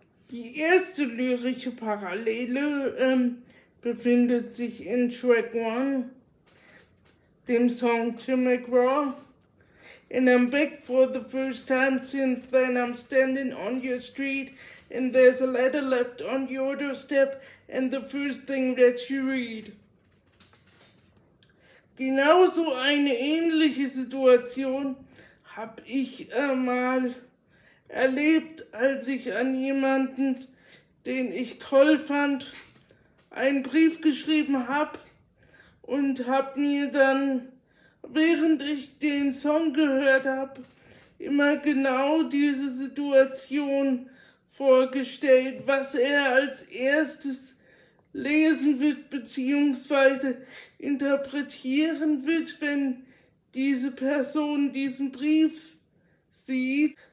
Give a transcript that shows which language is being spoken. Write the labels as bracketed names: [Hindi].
[German] Die erste lyrische Parallele befindet sich in Track 1, dem Song Tim McGraw. [English] And I'm back for the first time since then. I'm standing on your street and there's a letter left on your doorstep and the first thing that you read. [German] Genauso eine ähnliche Situation habe ich mal erlebt, als ich an jemanden, den ich toll fand, einen Brief geschrieben habe und habe mir dann, während ich den Song gehört habe, immer genau diese Situation vorgestellt, was er als erstes lesen wird beziehungsweise interpretieren wird, wenn diese Person diesen Brief sieht.